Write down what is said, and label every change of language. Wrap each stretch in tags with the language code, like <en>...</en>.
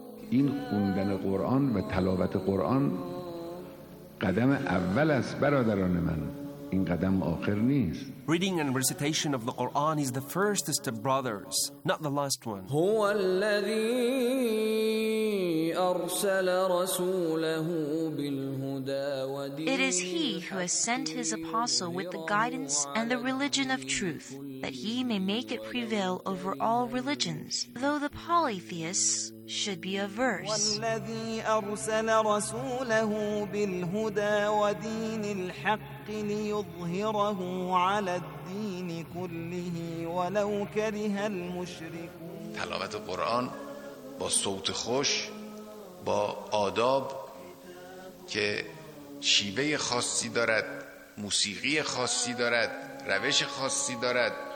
<fa>این خوندن قرآن و تلاوت قرآن قدم اول است برادران من این قدم آخر نیست</fa> <en>Reading and recitation of the Quran is the first step brothers not the last one</en> <ar>هو الذی ارسل رسوله بالهدى ودین</ar> <en>It is he who has sent his apostle with the guidance and the religion of truth that he may make it prevail over all religions though the polytheists should be averse</en> <ar>والذي ارسل رسوله بالهدى ودين الحق ليظهره على الدين كله ولو كره المشركون</ar> <fa>تلاوت قرآن با صوت خوش با آداب که شیوه خاصی دارد موسیقی خاصی دارد روش خاصی دارد</fa>